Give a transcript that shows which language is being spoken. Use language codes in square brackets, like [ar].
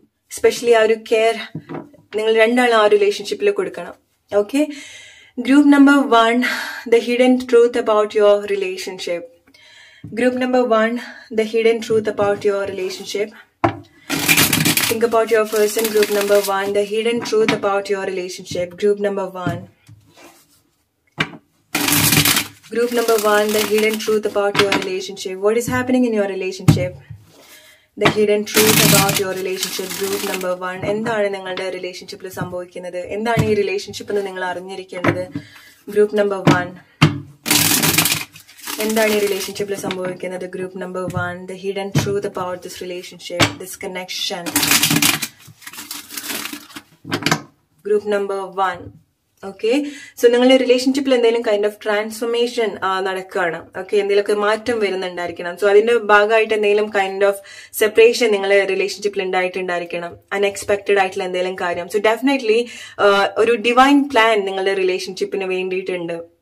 [ml] Specially ആ ഒരു care നിങ്ങൾ രണ്ടാളും ആ റിലേഷൻഷിപ്പിൽ കൊടുക്കണം. [en] Okay, group number one, the hidden truth about your relationship. Group number one, the hidden truth about your relationship. Think about your person, group number one. The hidden truth about your relationship, group number one. Group number one, the hidden truth about your relationship. What is happening in your relationship? The hidden truth about your relationship, group number one. [ml] എന്താണ് നിങ്ങളുടെ relationship ല് സംഭവിക്കുന്നത്? എന്താണ് ഈ relationship എന്ന് നിങ്ങൾ അറിഞ്ഞിരിക്കേണ്ടത്? [en] Group number one. [ml] എന്താണ് ഈ relationship ല് സംഭവിക്കുന്നത്? [en] Group number one. The hidden truth about this relationship, this connection. Group number one. [ml] Okay, so നിങ്ങളുടെ റിലേഷൻഷിപ്പിൽ എന്തെങ്കിലും [en] kind of transformation [ml] നടക്കുകയാണ്, ഓക്കെ, എന്തെങ്കിലുമൊക്കെ മാറ്റം വരുന്നുണ്ടായിരിക്കണം. സോ അതിന്റെ ഭാഗമായിട്ട് എന്തെങ്കിലും കൈൻഡ് ഓഫ് സെപ്പറേഷൻ നിങ്ങളുടെ റിലേഷൻഷിപ്പിൽ ഉണ്ടായിട്ടുണ്ടായിരിക്കണം, അൺഎക്സ്പെക്ടഡ് ആയിട്ടുള്ള എന്തെങ്കിലും കാര്യം. സോ ഡെഫിനറ്റ്ലി ഒരു ഡിവൈൻ പ്ലാൻ നിങ്ങളുടെ റിലേഷൻഷിപ്പിന് വേണ്ടിയിട്ടുണ്ട്.